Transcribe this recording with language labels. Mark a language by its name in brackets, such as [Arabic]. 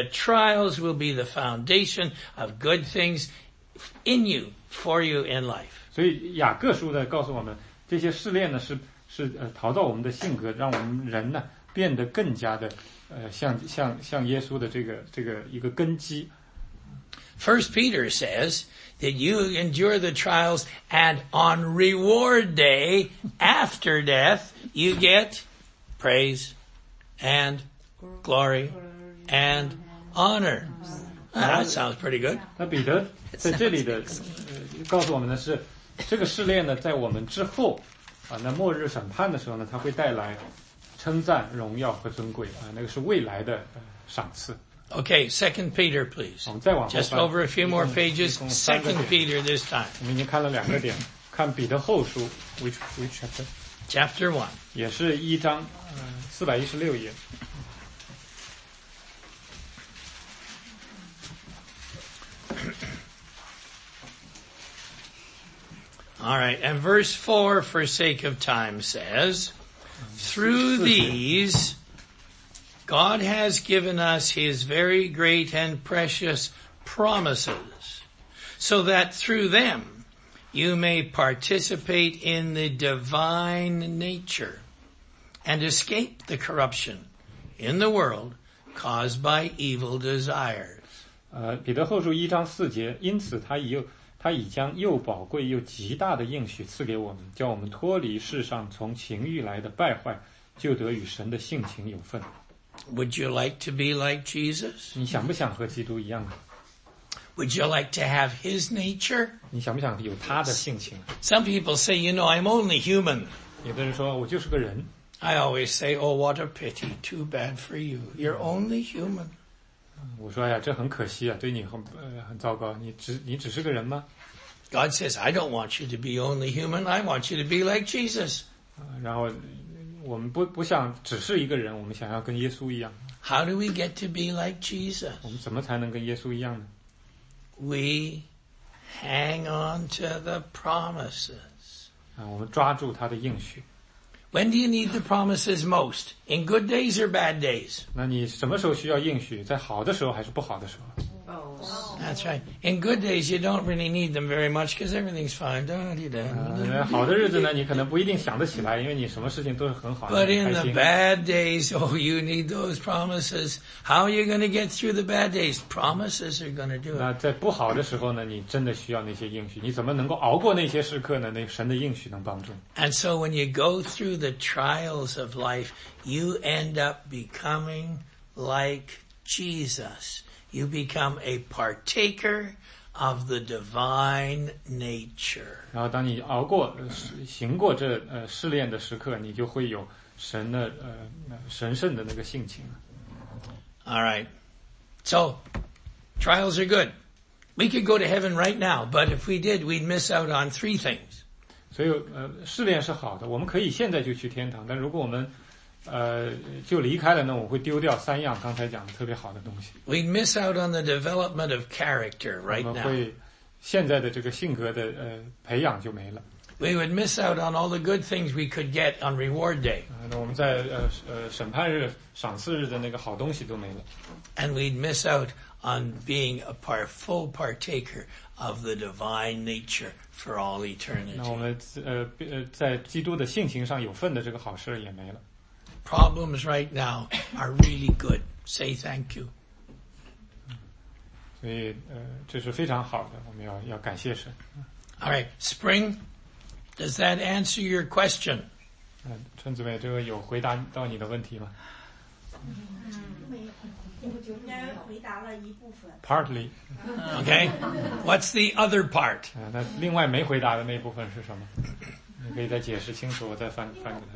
[English] The trials will be the foundation of good things in you, for you in life. [Chinese] 所以雅各书呢告诉我们，这些试炼呢是陶造我们的性格，让我们人呢变得更加的像耶稣的这个一个根基。 [English] First Peter says that you endure the trials and on reward day after death you get praise and glory and honor. Well, that sounds pretty good. [Chinese] 那彼得在这里的告诉我们的是，这个试炼呢，在我们之后啊，那末日审判的时候呢，它会带来称赞、荣耀和尊贵啊，那个是未来的赏赐。 [English] Okay, 2 Peter, please. Just over a few more pages, 2 Peter this time. [Chinese] 我们已经看了两个点，看彼得后书 , [English] which chapter? Chapter 1. [Chinese] 也是一章416页。 [English] Alright, and verse 4, for sake of time, says, through these, God has given us His very great and precious promises, so that through them you may participate in the divine nature and escape the corruption in the world caused by evil desires. [Chinese] 彼得后书一章四节，因此他已将又宝贵又极大的应许赐给我们，叫我们脱离世上从情欲来的败坏，就得与神的性情有份。 [English] Would you like to be like Jesus? [Chinese] 你想不想和基督一样啊？ [English] Would you like to have His nature? [Chinese] 你想不想有他的性情？ [English] Some people say, you know, I'm only human. [Chinese] 有的人说我就是个人。 [English] I always say, oh, what a pity, too bad for you. You're only human. [Chinese] 我说哎呀，这很可惜啊，对你很糟糕。你只是个人吗？ [English] God says, I don't want you to be only human. I want you to be like Jesus. [Chinese] 然后我们不想只是一个人，我们想要跟耶稣一样。 [English] How do we get to be like Jesus? [Chinese] 我们怎么才能跟耶稣一样呢？ [English] We hang on to the promises. [Chinese] 我们抓住他的应许。 [English] When do you need the promises most? In good days or bad days? [Chinese] 那你什么时候需要应许？在好的时候还是不好的时候？ [English] That's right. In good days, you don't really need them very much because everything's fine. [Chinese] 好的日子呢，你可能不一定想得起来，因为你什么事情都是很好的。 [English] But in the bad days, oh, you need those promises. How are you going to get through the bad days? Promises are going to do it. [Chinese] 那在不好的时候呢，你真的需要那些应许。你怎么能够熬过那些时刻呢？那神的应许能帮助。 [English] And so when you go through the trials of life, you end up becoming like Jesus. You become a partaker of the divine nature. [Chinese] 然后当你熬过行过这试炼的时刻，你就会有神的神圣的那个性情。 [English] All right. So, trials are good. We could go to heaven right now, but if we did, we'd miss out on three things. [Chinese] 所以试炼是好的，我们可以现在就去天堂，但如果我们就离开了呢，我会丢掉三样刚才讲的特别好的东西。 [English] We miss out on the development of character right now. [Chinese] 我们会现在的这个性格的培养就没了。 [English] We would miss out on all the good things we could get on reward day. [Chinese] 那我们在审判日、赏赐日的那个好东西都没了。 [English] And we'd miss out on being a full partaker of the divine nature for all eternity. [Chinese] 那我们在基督的性情上有份的这个好事也没了。 [English] Problems right now are really good. Say thank you. [Chinese] 所以这是非常好的，我们要感谢神。 [English] All right, Spring, does that answer your question? [Chinese] 春子妹，这个有回答到你的问题吗？没有，应该回答了一部分。 [English] Partly. Okay, what's the other part? [Chinese] 那另外没回答的那部分是什么？你可以再解释清楚，我再翻给他。